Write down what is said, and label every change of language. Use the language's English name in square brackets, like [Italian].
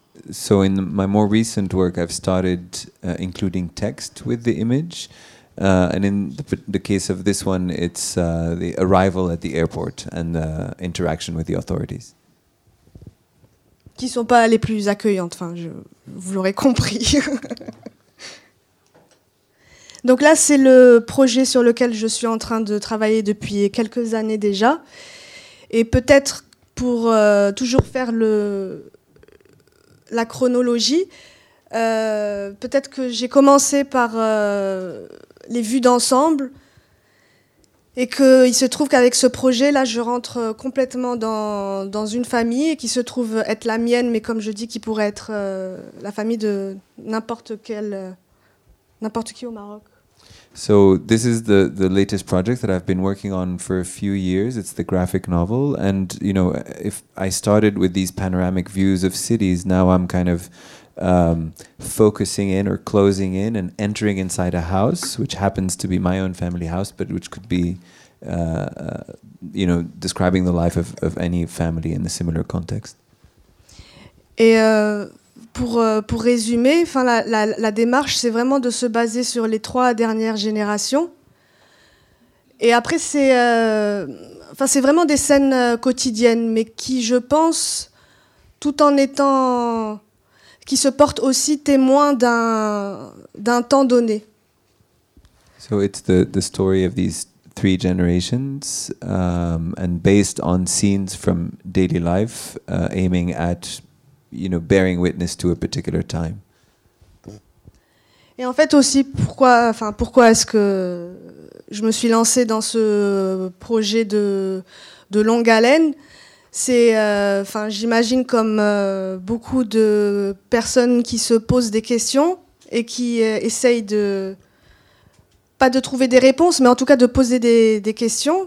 [English] So in my more recent work, I've started including text with the image. And in the case of this one, it's the arrival at the airport and the interaction with the authorities. [French] Qui sont pas les plus accueillantes, enfin, vous l'aurez compris. Donc là, c'est le projet sur lequel je suis en train de travailler depuis quelques années déjà. Et peut-être pour toujours faire la chronologie, peut-être que j'ai commencé par... les vues d'ensemble, et qu'il se trouve qu'avec ce projet-là, je rentre complètement dans une famille qui se trouve être la mienne, mais comme je dis, qui pourrait être la famille de n'importe qui au Maroc. [English] So this is the latest project that I've been working on for a few years. It's the graphic novel, and you know, if I started with these panoramic views of cities, now I'm kind of focusing in or closing in and entering inside a house, which happens to be my own family house, but which could be, you know, describing the life of any family in a similar context. [French] Et pour résumer, enfin la démarche, c'est vraiment de se baser sur les trois dernières générations. Et après, c'est vraiment des scènes quotidiennes, mais qui, je pense, tout en étant qui se porte aussi témoin d'un temps donné. [English] So it's the story of these three generations, and based on scenes from daily life, aiming at, you know, bearing witness to a particular time. [French] Et en fait aussi pourquoi est-ce que je me suis lancée dans ce projet de longue haleine? C'est, j'imagine comme beaucoup de personnes qui se posent des questions et qui essayent de, pas de trouver des réponses, mais en tout cas de poser des questions.